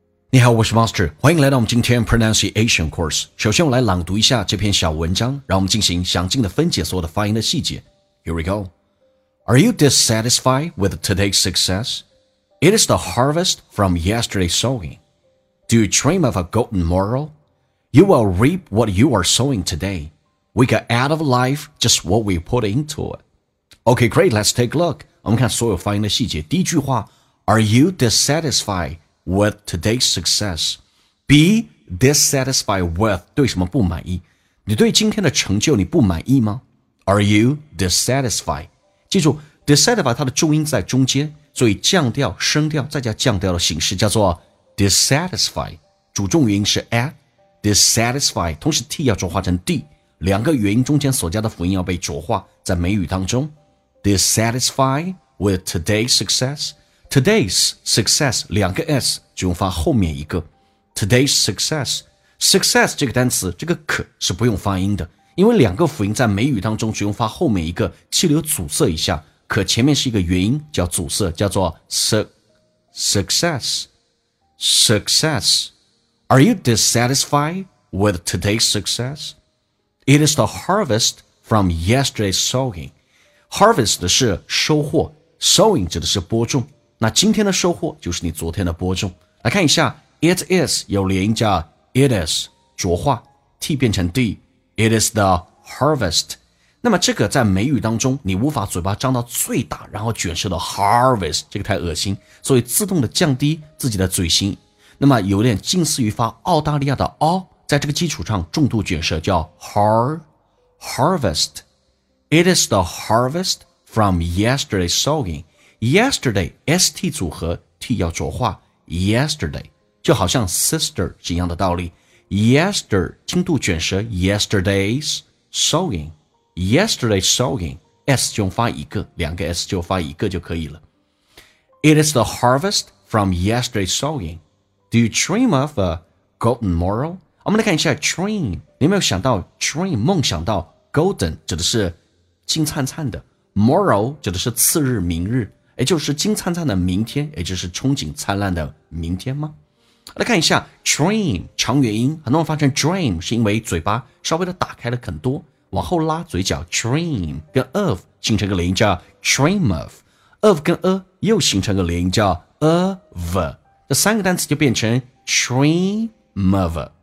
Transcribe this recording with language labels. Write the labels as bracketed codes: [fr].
[zh] 你好，我是 Master， 欢迎来到我们今天 Pronunciation Course。首先我来朗读一下这篇小文章，让我们进行详尽的分解所有的发音的细节。 [en] Here we go. Are you dissatisfied with today's success? It is the harvest from yesterday's sowing. Do you dream of a golden moral? You will reap what you are sowing today. We got out of life just what we put into it. Okay, great, let's take a look. [zh] 我们看所有发音的细节。 [en] 第一句话， Are you dissatisfiedWith today's success, be dissatisfied with [zh] 对什么不满意？你对今天的成就你不满意吗 ？ [en] Are you dissatisfied? [zh] 记住 ，dissatisfied 它的重音在中间，所以降调、升调再加降调的形式叫做 dissatisfied。主重元音是 at dissatisfied， 同时 t 要浊化成 d， 两个元音中间所加的辅音要被浊化在美语当中。 [en] Dissatisfied with today's success. [zh] Today's success 两个 S 只用发后面一个 Today's success Success 这个单词这个可是不用发音的，因为两个辅音在美语当中只用发后面一个，气流阻塞一下，可前面是一个元音叫阻塞，叫做 Success Success [en] Are you dissatisfied with today's success? It is the harvest from yesterday's sowing. [zh] Harvest 是收获， Sowing 指的是播种，那今天的收获就是你昨天的播种。来看一下 [en] It is 有连音叫 It is 浊化 T 变成 D It is the harvest。 [zh] 那么这个在美语当中你无法嘴巴张到最大然后卷舌的 harvest， 这个太恶心，所以自动的降低自己的嘴型，那么有点近似于发澳大利亚的 O， 在这个基础上重度卷舌叫 harvest。 [en] It is the harvest from yesterday's sowingYesterday ST 组合 T 要浊化 Yesterday 就好像 sister 一样的道理， Yester 轻度卷舌 Yesterday's sowing Yesterday's sowing S [zh] 就发一个，两个 S 就发一个就可以了。 [en] It is the harvest from yesterday's sowing. Do you dream of a golden moral? [zh] 我们来看一下 dream， 你有没有想到 dream 梦想到 golden 指的是金灿灿的， moral 指的是次日明日，也就是金灿灿的明天，也就是憧憬灿烂的明天吗？来看一下 dream 长元音，很多人发成 dream 是因为嘴巴稍微的打开了很多，往后拉嘴角 dream 跟 of 形成个连音叫 dream of， of 跟 a 又形成个连音叫 of， 这三个单词就变成 dream of。